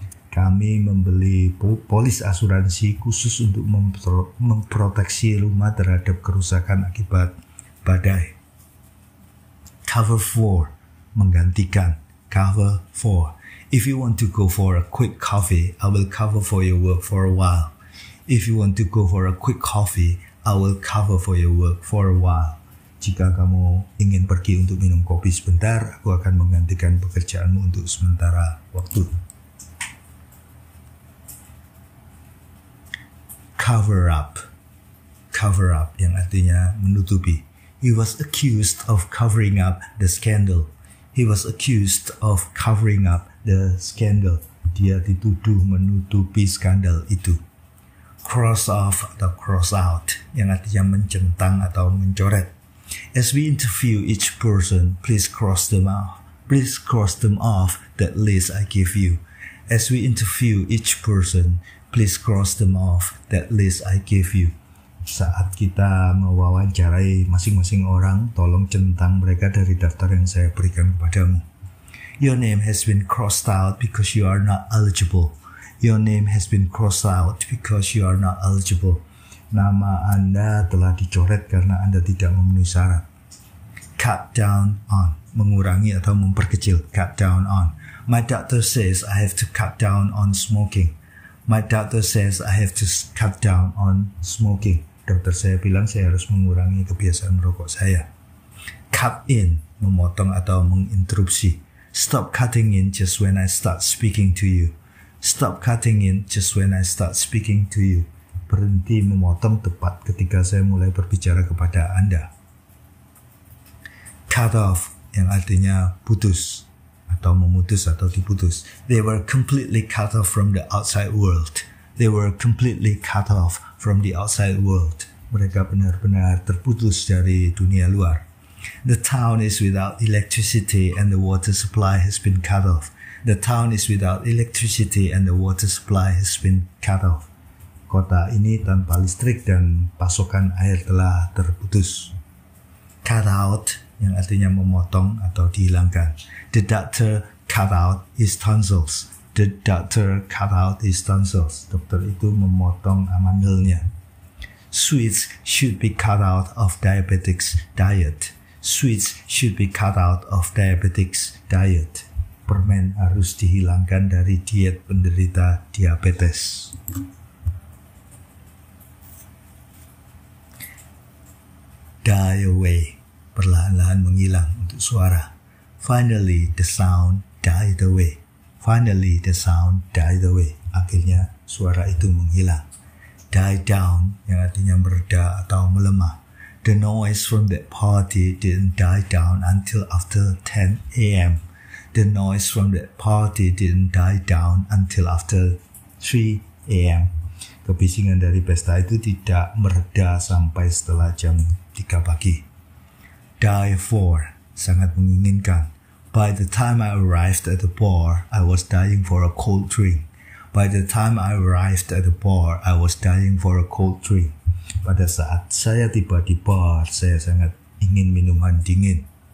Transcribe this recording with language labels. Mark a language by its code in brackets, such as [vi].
[id] Kami membeli polis asuransi khusus untuk memproteksi rumah terhadap kerusakan akibat badai. [en] Cover for, menggantikan. Cover for. If you want to go for a quick coffee, I will cover for your work for a while. If you want to go for a quick coffee, I will cover for your work for a while. [id] Jika kamu ingin pergi untuk minum kopi sebentar, aku akan menggantikan pekerjaanmu untuk sementara waktu. [en] Cover up. Cover up, [id] yang artinya menutupi. [en] He was accused of covering up the scandal. He was accused of covering up the scandal. [id] Dia dituduh menutupi skandal itu. Cross off atau cross out, yang artinya mencentang atau mencoret. [en] As we interview each person, please cross them off. Please cross them off that list I give you. As we interview each person, please cross them off that list I give you. [id] Saat kita mewawancarai masing-masing orang, tolong centang mereka dari daftar yang saya berikan kepadamu. [en] Your name has been crossed out because you are not eligible. Your name has been crossed out because you are not eligible. [id] Nama Anda telah dicoret karena Anda tidak memenuhi syarat. [en] Cut down on, [id] mengurangi atau memperkecil. [en] Cut down on. My doctor says I have to cut down on smoking. My doctor says I have to cut down on smoking. [id] Dokter saya bilang saya harus mengurangi kebiasaan merokok saya. [en] Cut in, [id] memotong atau menginterupsi. [en] Stop cutting in just when I start speaking to you. Stop cutting in just when I start speaking to you. [id] Berhenti memotong tepat ketika saya mulai berbicara kepada Anda. Cut off, yang artinya putus atau memutus atau diputus. [en] They were completely cut off from the outside world. They were completely cut off from the outside world. [id] Mereka benar-benar terputus dari dunia luar. [en] The town is without electricity and the water supply has been cut off. The town is without electricity and the water supply has been cut off. [id] Kota ini tanpa listrik dan pasokan air telah terputus. Cut out, yang artinya memotong atau dihilangkan. [en] The doctor cut out his tonsils. The doctor cut out his tonsils. [id] Dokter itu memotong amandelnya. [en] Sweets should be cut out of diabetics' diet. Sweets should be cut out of diabetics' diet. [id] Permen harus dihilangkan dari diet penderita diabetes. Die away, perlahan-lahan menghilang untuk suara. [en] Finally, the sound died away. Finally, the sound died away. [id] Akhirnya, suara itu menghilang. Die down, yang artinya mereda atau melemah. [en] The noise from that party didn't die down until after 10 a.m. The noise from that party didn't die down until after 3 a.m. [id] Kebisingan dari pesta itu tidak mereda sampai setelah jam 3 pagi. Die for, sangat menginginkan. [en] By the time I arrived at the bar, I was dying for a cold drink. By the time I arrived at the bar, I was dying for a cold drink. [id] Pada saat saya tiba di bar, saya sangat ingin minuman dingin.